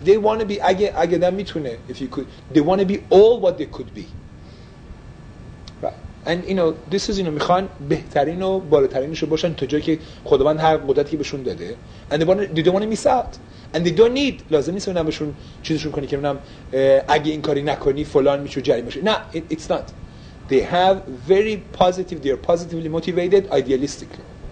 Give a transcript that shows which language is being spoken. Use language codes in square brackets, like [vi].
[en] They want to be, [fa] اگه دم میتونه, [en] if you could, they want to be all what they could be. And you know, this is, you know, [fa] میخوان بهترین و بالاترینش رو باشن تا جایی که خداوند هر قدرتی بهشون داده. [en] And they don't want to miss out. And they don't need, [fa] لازم نیست اونم بهشون چیزشون کنی که اونم اگه این کاری نکنی فلان میشه جریم باشه. نه, [en] it's not. They have very positive, they are positively motivated, idealistically.